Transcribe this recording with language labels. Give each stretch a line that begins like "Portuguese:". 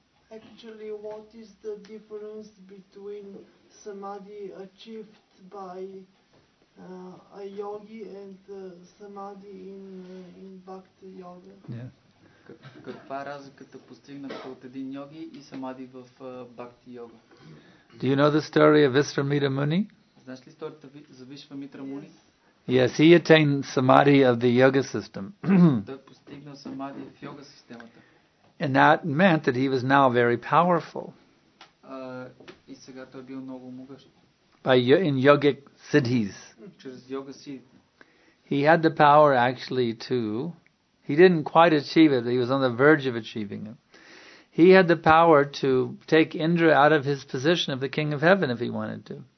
English: Actually, what is the difference between samadhi achieved by a yogi and samadhi in bhakti yoga? Yeah.
Bulgarian: Каква е разликата постигната от един йоги и самади в бхакти йога?
English: Do you know the story of Viswamitra Muni?
Bulgarian: Знаеш ли историята за Вишвамитра Муни?
English: Yes, he attained samadhi of the yoga system.
Bulgarian: Той постигна самади в йога системата.
English: And that meant that he was now very powerful.
Bulgarian: И сега той бил много могъщ.
English: In yogic siddhis.
Bulgarian: Чрез йога сиддхи.
English: He had the power actually to. He didn't quite achieve it. He was on the verge of achieving it. He had the power to take Indra out of his position of the king of heaven if he wanted to.